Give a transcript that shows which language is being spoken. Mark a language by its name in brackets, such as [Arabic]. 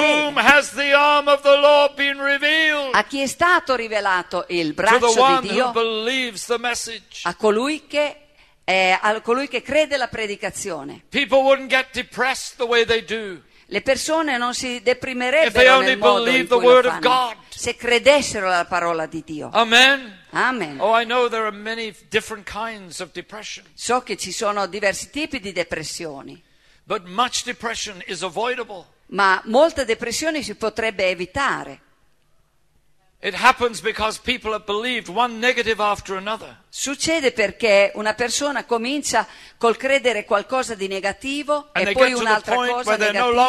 [English] To whom has the arm of the Lord been revealed? [Italian] A chi è stato rivelato il braccio di Dio? [English] To the one who believes the message. [Italian] A colui che crede la predicazione. [English] People wouldn't get depressed the way they do. [Italian] Le persone non si deprimerebbero nel modo in cui se credessero alla parola di Dio. Amen. Amen. [English] Oh, I know there are many different kinds of depression. [Italian] So che ci sono diversi tipi di depressioni. [English] But much depression is avoidable. [Italian] Ma molta depressione si potrebbe evitare. [English] It happens because people have believed one negative after another. [Italian] Succede perché una persona comincia col credere qualcosa di negativo e poi un'altra cosa negativa.